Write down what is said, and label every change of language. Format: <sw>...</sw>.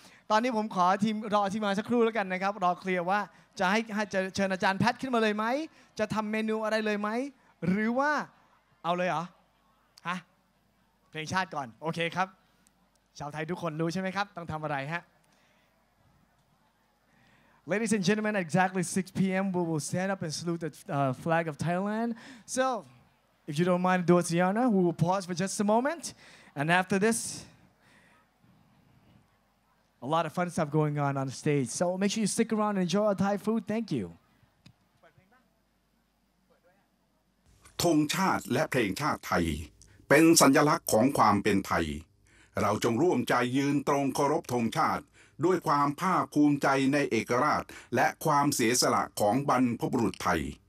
<th>ตอนนี้ผมขอทีมรอทีมมาสักครู่แล้วกันนะครับรอเคลียร์ว่าจะให้จะเชิญอาจารย์แพทขึ้นมาเลยไหมจะทำเมนูอะไรเลยไหมหรือว่าเอาเลยเหรอฮะเพลงชาติก่อนโอเคครับชาวไทยทุกคนรู้ใช่ไหมครับต้องทำอะไรฮะ</th> <en>Ladies and gentlemen, at exactly 6 p.m., we will stand up and salute the flag of Thailand. So, if you don't mind, do us the honor, we will pause for just a moment. And after this, a lot of fun stuff going on the stage. So make sure you stick around and enjoy our Thai food. Thank you.</en> <th>ธงชาติและเพลงชาติไทยเป็นสัญลักษณ์ของความเป็นไทยเราจงร่วมใจยืนตรงเคารพธงชาติด้วยความภาคภูมิใจในเอกราชและความเสียสละของบรรพบุรุษไทย</th>